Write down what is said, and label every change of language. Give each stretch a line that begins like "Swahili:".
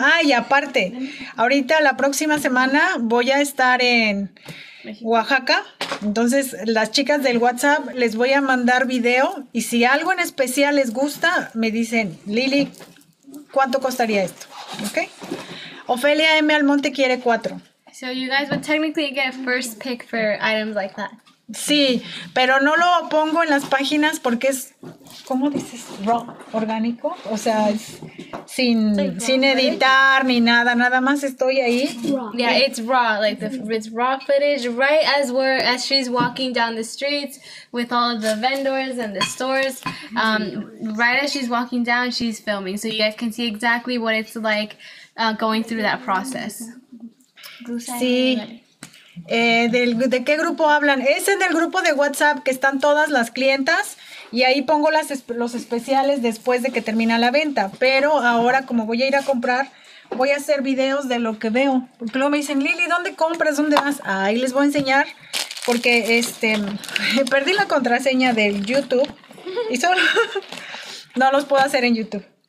Spanish: Ah, y aparte, ahorita la próxima semana voy a estar en Oaxaca. Entonces, las chicas del WhatsApp les voy a mandar video. Y si algo en especial les gusta, me dicen, Lili, ¿cuánto costaría esto? ¿Ok? Ofelia M. Almonte quiere 4.
English: So you guys would technically get a first pick for items like that.
Spanish: Sí, pero no lo pongo en las páginas porque es, ¿cómo dices? Raw, orgánico. O sea, es sin editar ni nada. Nada más estoy ahí.
English: Yeah, it's raw. Like, it's raw footage right as she's walking down the streets with all of the vendors and the stores. Right as she's walking down, she's filming. So you guys can see exactly what it's like going through that process.
Spanish: Sí. ¿De qué grupo hablan? Es en el grupo de WhatsApp que están todas las clientas y ahí pongo los especiales después de que termina la venta. Pero ahora, como voy a ir a comprar, voy a hacer videos de lo que veo. Porque luego me dicen, Lili, ¿dónde compras? ¿Dónde vas? Ahí les voy a enseñar porque perdí la contraseña del YouTube y solo no los puedo hacer en YouTube.